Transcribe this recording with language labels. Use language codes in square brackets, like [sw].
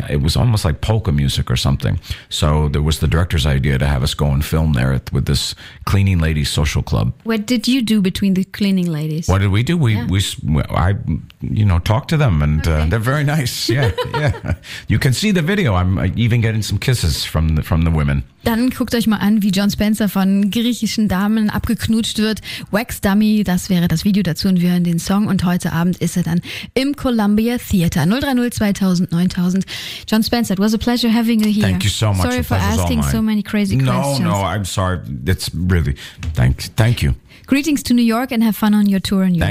[en] It was almost like polka music or something. So there was the director's idea to have us go and film there with this cleaning ladies social club. What did you do between the cleaning ladies? What did we do? I talked to them and okay. They're very nice. Yeah, yeah. You can see the video. I'm even getting some kisses from the women. [de] Dann guckt euch mal an, wie John Spencer von griechischen Damen abgeknutscht wird. Wax Dummy, das wäre das Video dazu und wir hören den Song. Und heute Abend ist er dann im Columbia Theater. [en] 030-2000-9000. John Spencer, it was a pleasure having you here. Thank you so much. Sorry for asking so many crazy questions. No, I'm sorry. It's really, thank you. Greetings to New York and have fun on your tour in Europe.